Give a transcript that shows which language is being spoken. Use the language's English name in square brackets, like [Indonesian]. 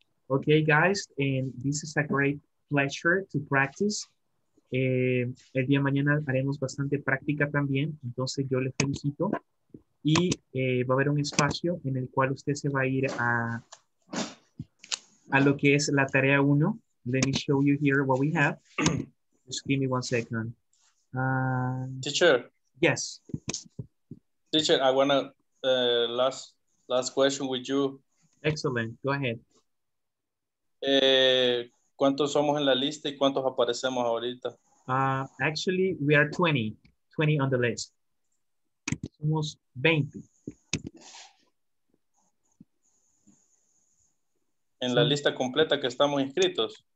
[English] Okay, guys, and this is a great pleasure to practice. [Spanish] El día de mañana haremos bastante práctica también, entonces yo les felicito. Y va a haber un espacio en el cual usted se va a ir a lo que es la tarea 1. [English] Let me show you here what we have. Just give me one second. Teacher. Yes. Teacher, I want to last question with you. Excellent. Go ahead. [Spanish] ¿Cuántos somos en la lista y cuántos aparecemos ahorita? [English] Actually, we are 20. 20 on the list. [Spanish] Somos 20. ¿En la lista completa que estamos inscritos?